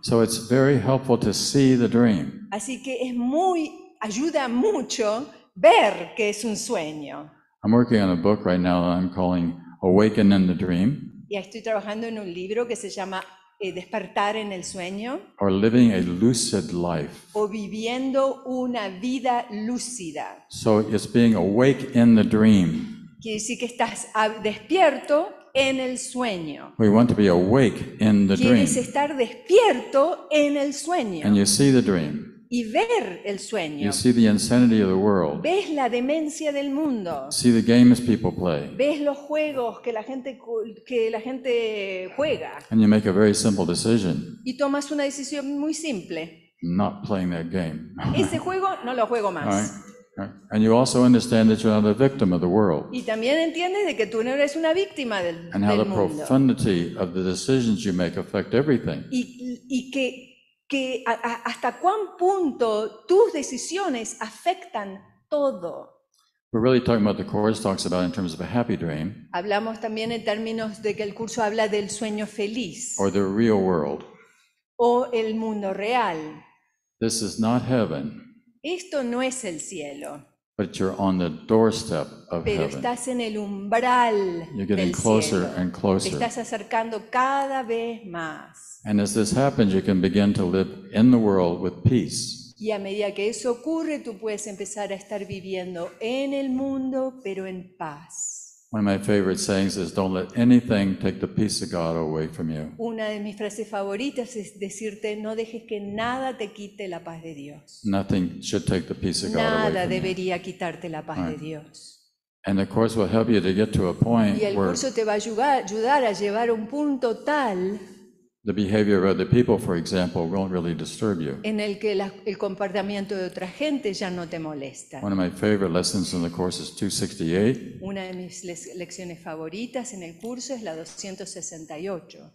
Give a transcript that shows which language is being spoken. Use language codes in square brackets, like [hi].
[en] So it's very helpful to see the dream. [es] Así que ayuda mucho ver que es un sueño. [en] I'm working on a book right now that I'm calling Awaken in the Dream. [es] Y estoy trabajando en un libro que se llama Despertar en el Sueño. [en] Or living a lucid life. [es] O viviendo una vida lúcida. [en] So it's being awake in the dream. [es] Quiere decir que estás despierto en el sueño. [en] We want to be awake in the [es] Quieres [en] dream. [es] Estar despierto en el sueño. [en] And you see the dream. [es] Y ver el sueño. [en] You see the insanity of the world. [es] Ves la demencia del mundo. [en] See the games people play. [es] Ves los juegos que la gente juega. [en] And you make a very simple decision. [es] Y tomas una decisión muy simple. [en] Not playing that game. [es] Ese juego no lo juego más. [en] Right. And you also understand that you're not a victim of the world. [es] Y también entiendes de que tú no eres una víctima del mundo. [en] And how the profundity of the decisions you make affect everything. [es] Y que hasta cuán punto tus decisiones afectan todo. [en] We're really talking about the course talks about in terms of a happy dream. [es] Hablamos también en términos de que el curso habla del sueño feliz. [en] Or the real world. [es] O el mundo real. [en] This is not heaven. [es] Esto no es el cielo. [en] But you're on the doorstep of [es] pero [en] heaven. [es] Estás en el umbral del cielo. [en] You're getting closer and closer. [es] Te estás acercando cada vez más. [en] And as this happens, you can begin to live in the world with peace. [es] Y a medida que eso ocurre, tú puedes empezar a estar viviendo en el mundo, pero en paz. [en] One of my favorite sayings is, "Don't let anything take the peace of God away from you." [es] Una de mis frases favoritas es decirte, "No dejes que nada te quite la paz de Dios." [en] Nothing should take the peace of God [es] nada [en] away from you. [es] Nada debería quitarte la paz right. de Dios. [en] And the course will help you to get to a point where. [es] Y el curso [en] where [es] te va a ayudar a llevar a un punto tal. [en] The behavior of other people, for example, won't really disturb you. [es] En el que el comportamiento de otra gente ya no te molesta. [en] One of my favorite lessons in the course is 268. [es] Una de mis lecciones favoritas en el curso es la 268.